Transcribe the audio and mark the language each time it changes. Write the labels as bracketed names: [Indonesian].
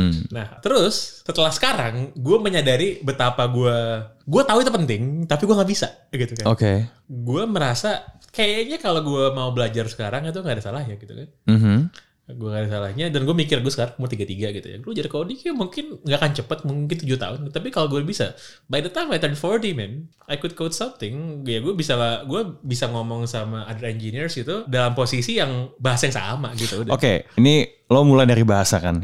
[Indonesian] Nah, terus setelah sekarang, gue menyadari betapa gue tahu itu penting, tapi gue gak bisa gitu kan. [English] Okay. [Indonesian] Gue merasa kayaknya kalau gue mau belajar sekarang itu gak ada salah ya gitu kan. Gue gak ada salahnya, dan gue mikir gue sekarang umur 33 gitu ya. Gue jadi coding ya mungkin gak akan cepet, mungkin 7 tahun. Tapi kalau gue bisa, [English] by the time I turn 40 man, I could code something. [Indonesian] Ya gue bisa ngomong sama [English] other engineers [Indonesian] gitu dalam posisi yang bahasa yang sama gitu. Okay, ini lo mulai dari bahasa kan.